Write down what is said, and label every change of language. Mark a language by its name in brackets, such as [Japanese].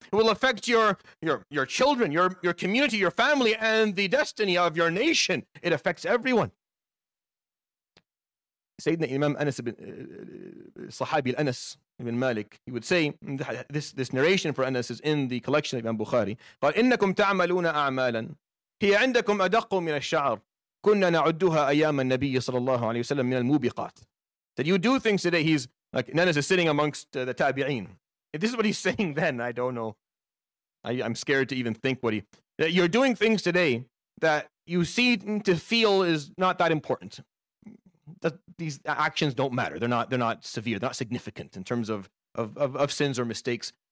[English] It will affect your children, your community, your family, and the destiny of your nation. It affects everyone. Sayyidina Imam Anas ibn Sahabi al-Anas ibn Malik, he would say, this narration for Anas is in the collection of Imam Bukhari. [Arabic] قال إنكم تعملون أعمالا هي عندكم أدق من الشعر كنا نعدها أيام النبي صلى الله عليه وسلم من الموبقات. [English] That you do things today, he's like, Nanas is sitting amongst the tabi'een. If this is what he's saying then, I don't know. I'm scared to even think what he... That you're doing things today that you seem to feel is not that important. That these actions don't matter. They're not severe. They're not significant in terms of sins or mistakes.